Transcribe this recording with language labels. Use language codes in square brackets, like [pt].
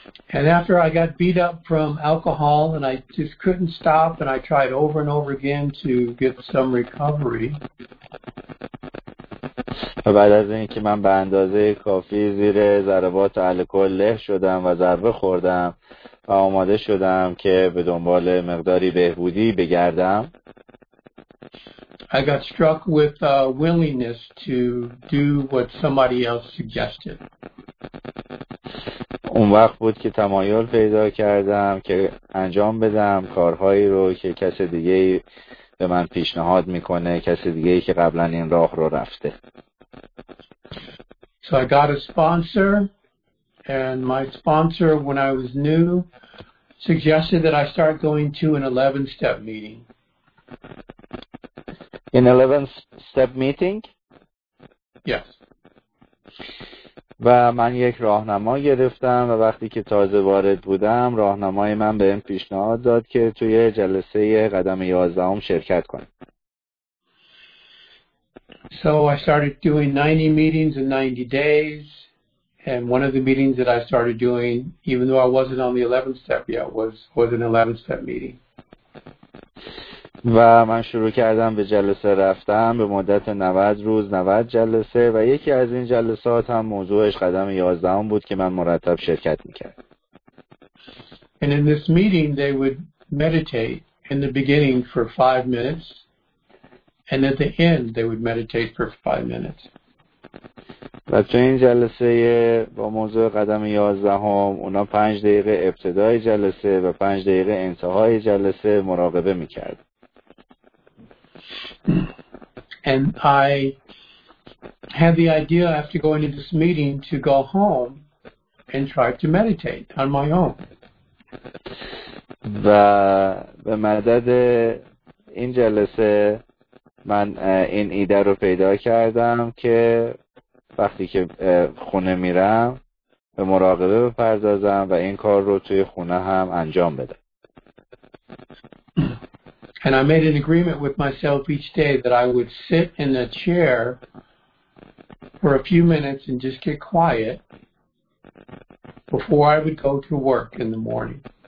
[en] And after I got beat up from alcohol and I just couldn't stop and I tried over and over again to get some recovery. [fa] و بعد از اینکه من به اندازه کافی زیر ضربات الکل له شدم و ضربه خوردم و آماده شدم که به دنبال مقداری بهبودی بگردم. [en] I got struck with a willingness to do what somebody else suggested. [fa] اون وقت بود که تمایل پیدا کردم که انجام بدم کارهایی رو که کس دیگه به من پیشنهاد میکنه، کس دیگه که قبلا این راه رو رفته. [en] So I got a sponsor and my sponsor when I was new suggested that I start going to an 11 step meeting. An 11 step meeting? Yes. [fa] و من یک راهنما گرفتم و وقتی که تازه وارد بودم راهنمای من به این پیشنهاد داد که توی جلسه قدم 11 هم شرکت کنم. [en] So I started doing 90 meetings in 90 days and one of the meetings that I started doing even though I wasn't on the 11th step yet was an 11th step meeting. [fa] و من شروع کردم به جلسه رفتم به مدت 90 روز 90 جلسه و یکی از این جلسات هم موضوعش قدم 11 بود که من مرتب شرکت میکردم. [en] And in this meeting they would meditate in the beginning for 5 minutes and at the end they would meditate for 5 minutes. [fa] و تو این جلسه با موضوع قدم 11 هم اونا 5 دقیقه ابتدای جلسه و 5 دقیقه انتهای جلسه مراقبه میکرد. [en] And I had the idea after going to this meeting to go home and try to meditate on my own. [fa] و به مدد این جلسه من این ایده رو پیدا کردم که وقتی که خونه میرم به مراقبه بپردازم و این کار رو توی خونه هم انجام بدم. [en] And I made an agreement with myself each day that I would sit in a chair for a few minutes and just get quiet before I would go to work in the morning.